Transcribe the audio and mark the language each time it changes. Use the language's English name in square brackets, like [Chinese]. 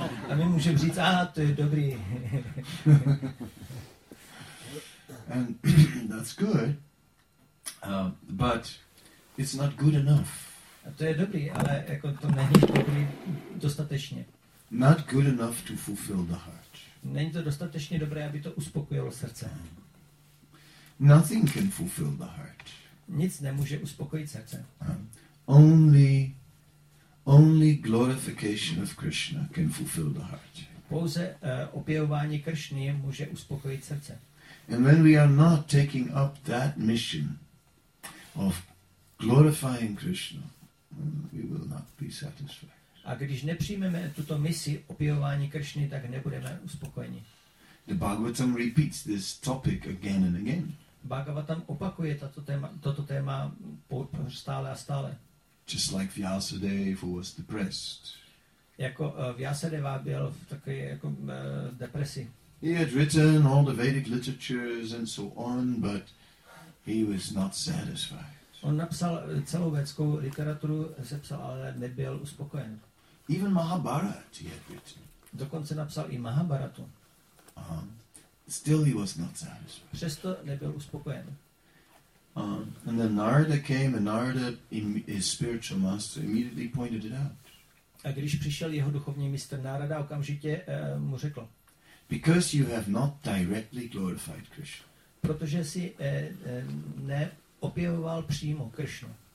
[Czech] A my můžeme říct, to je dobrý. [English] And that's good, but it's not good enough. [Czech] A to je dobrý, ale jako to není dobrý dostatečně. [English] Not good enough to fulfill the heart. [Czech] Není to dostatečně dobré, aby to uspokojilo srdce. [English] Nothing can fulfill the heart. [Czech] Nic nemůže uspokojit srdce. [English] Only glorification of Krishna can fulfill the heart. [Czech] Pouze objevování Kršny může uspokojit srdce. [English] And when we are not taking up that mission of glorifying Krishna, we will not be satisfied. [Czech] A když nepřijmeme tuto misi objevování Kršny, tak nebudeme uspokojeni. [English] The Bhagavatam repeats this topic again and again. [Czech] Bhagavatam opakuje toto téma stále a stále. [English] Just like Vyasadeva was depressed. [Czech] Jako Vyasadeva byl v takové jako depresi. [English] He had written all the Vedic literatures and so on, but he was not satisfied. [Czech] On napsal celou vědskou literaturu, sepsal, ale nebyl uspokojen. [English] Even Mahabharat he had written. [Czech] Dokonce napsal i Mahabharatu. [English] Still he was not satisfied. [Czech] Přesto nebyl uspokojen. [English] And then Narada came, and Narada, his spiritual master, immediately pointed it out. [Czech] A když přišel jeho duchovní mistr Narada, okamžitě mu řekl. [English] Because you have not directly glorified Krishna. [Czech] Protože si neobjevoval přímo Krishnu.